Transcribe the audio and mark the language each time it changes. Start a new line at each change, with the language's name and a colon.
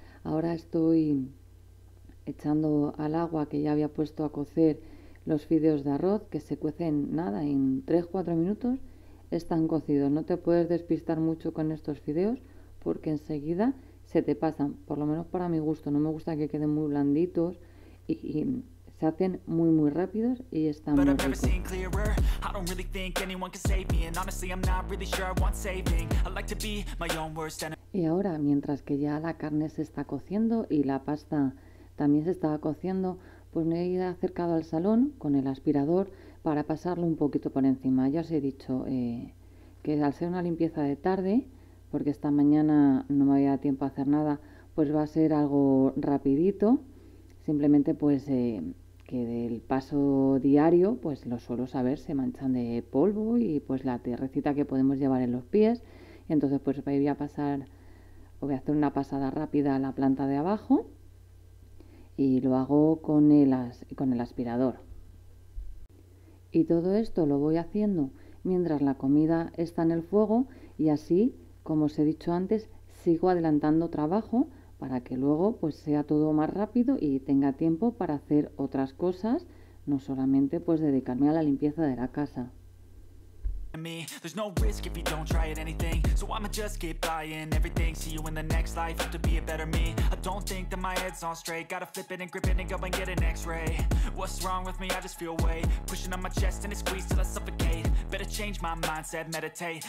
Spanish: Ahora estoy echando al agua que ya había puesto a cocer los fideos de arroz, que se cuecen nada, en 3-4 minutos están cocidos. No te puedes despistar mucho con estos fideos porque enseguida se te pasan, por lo menos para mi gusto. No me gusta que queden muy blanditos y se hacen muy muy rápidos y están
English: But
Spanish: muy
English: I've never
Spanish: ricos.
English: seen clearer. I don't really think anyone can save me. And honestly, I'm not really sure I want saving. I like to be my own worst enemy.
Spanish: Y ahora, mientras que ya la carne se está cociendo y la pasta también se estaba cociendo, pues me he ido acercado al salón con el aspirador para pasarlo un poquito por encima. Ya os he dicho que al ser una limpieza de tarde, porque esta mañana no me había dado tiempo a hacer nada, pues va a ser algo rapidito. Simplemente pues que del paso diario, pues los suelos a ver se manchan de polvo y pues la tierrecita que podemos llevar en los pies. Y entonces pues voy a pasar, voy a hacer una pasada rápida a la planta de abajo y lo hago con el aspirador. Y todo esto lo voy haciendo mientras la comida está en el fuego y así, como os he dicho antes, sigo adelantando trabajo para que luego pues sea todo más rápido y tenga tiempo para hacer otras cosas, no solamente pues dedicarme a la limpieza de la casa.
English: Me. There's no risk if you don't try at anything. So I'ma just keep buying everything. See you in the next life. Have to be a better me. I don't think that my head's on straight. Gotta flip it and grip it and go and get an X-ray. What's wrong with me? I just feel weight pushing on my chest and it squeezes till I suffocate. Better change my mindset, meditate.